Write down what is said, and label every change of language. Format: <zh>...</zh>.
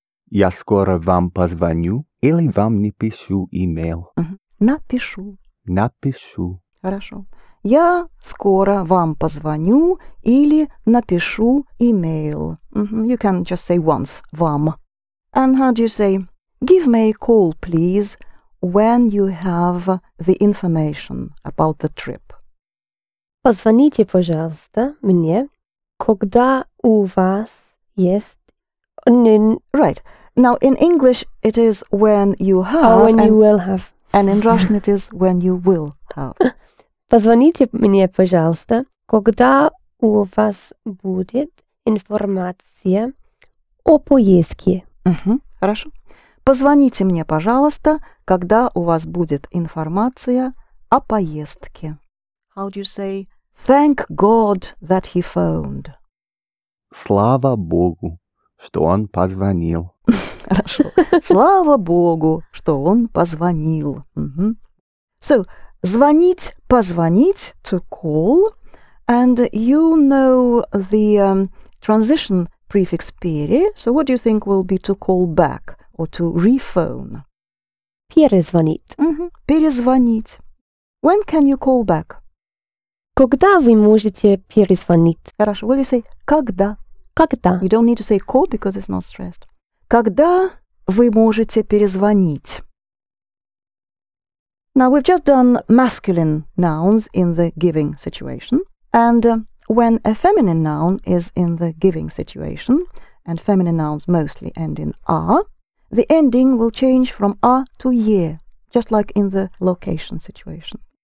<ru>Я скоро вам позвоню или вам напишу email. Mm-hmm. Напишу. Напишу. Хорошо. Я скоро вам позвоню или напишу email.</ru> <en>Mm-hmm. You can just say once, вам. And how do you say, give me a call, please, when you have the information about the trip?</en> <ru>Позвоните, пожалуйста, мне, когда у вас есть...</ru> <en>Right. Now, in English, it is when you have... Oh, when you will have. And in Russian, it is when you will have.</en> <ru>Позвоните мне, пожалуйста, когда у вас будет информация о поездке. Mm-hmm. Хорошо. Позвоните мне, пожалуйста, когда у вас будет информация о поездке.</ru> <en>How do you say, thank God that he phoned?</en> <ru>Слава Богу, что он позвонил. Хорошо. Слава Богу, что он позвонил.</ru> <en>Mm-hmm. So, звонить, позвонить, to call. And you know the transition prefix пере. So what do you think will be to call back or to rephone?</en> <ru>Перезвонить.</ru> <en>Mm-hmm. Перезвонить. When can you call back?</en> <ru>Когда вы можете перезвонить?</ru> <en>Хорошо. Will you say когда?</en> <ru>Когда.</ru> <en>You don't need to say call because it's not stressed.</en> <ru>Когда вы можете перезвонить?</ru> <en>Now, we've just done masculine nouns in the giving situation. And when a feminine noun is in the giving situation, and feminine nouns mostly end in a, the ending will change from a to е, just like in the location situation.</en>